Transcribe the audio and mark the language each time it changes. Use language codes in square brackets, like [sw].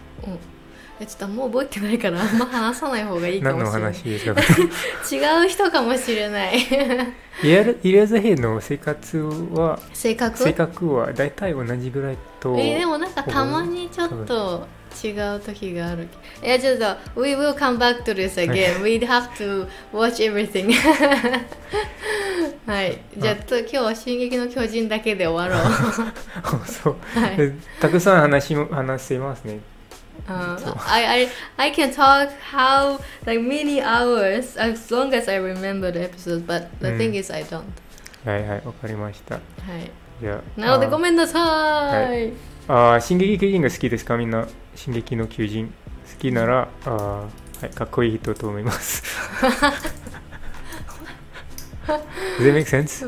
[ja] うん、ちょっともう覚えてないからあんま話さない方がいいかもしれない。何の話ですか？違う人かもしれない。イレーザーヘッドの生活は、性格は大体同じぐらいと、でもなんかたまにちょっと違う時がある。いや、ちょっと [en] We will come back to this again. We have to watch everything. [ja] はい、じゃ あ今日は進撃の巨人だけで終わろう。そう、はい、たくさん 話せますね。 [en] I can talk how like many hours as long as I remember the episode, but the thing is I don't. [ja] はいはい、わかりました。はい。じゃあ、なのでごめんなさい。はい。進撃の巨人が好きですか、みんな？進撃の巨人好きなら、はい、かっこいい人と思います。 [en] Does that make sense?